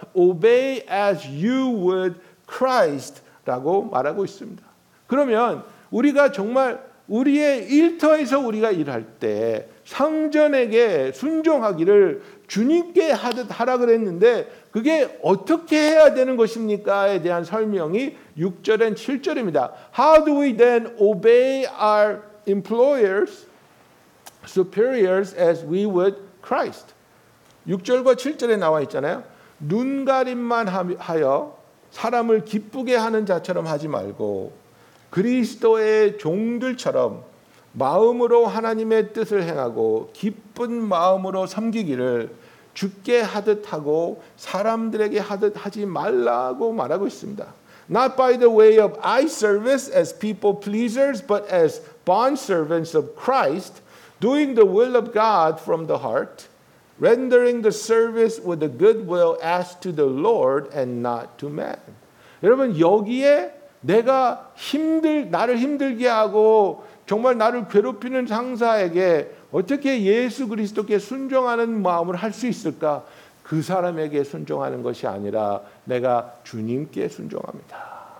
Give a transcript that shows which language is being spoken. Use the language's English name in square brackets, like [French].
[English] Obey as you would Christ라고 [Korean] 말하고 있습니다. 그러면 우리가 정말 우리의 일터에서 우리가 일할 때 상전에게 순종하기를 주님께 하듯 하라 그랬는데 그게 어떻게 해야 되는 것입니까에 대한 설명이 6절엔 7절입니다. [English] How do we then obey our employers, superiors as we would Christ? [Korean] 6절과 7절에 나와 있잖아요. 눈가림만 하여 사람을 기쁘게 하는 자처럼 하지 말고 그리스도의 종들처럼 마음으로 하나님의 뜻을 행하고 기쁜 마음으로 섬기기를 주께 하듯 하고 사람들에게 하듯 하지 말라고 말하고 있습니다. [English] Not by the way of eye service as people pleasers, but as bondservants of Christ, doing the will of God from the heart, rendering the service with a good will as to the Lord and not to man. [Korean] 여러분, 여기에 내가 나를 힘들게 하고 정말 나를 괴롭히는 상사에게 어떻게 예수 그리스도께 순종하는 마음을 할 수 있을까? 그 사람에게 순종하는 것이 아니라 내가 주님께 순종합니다.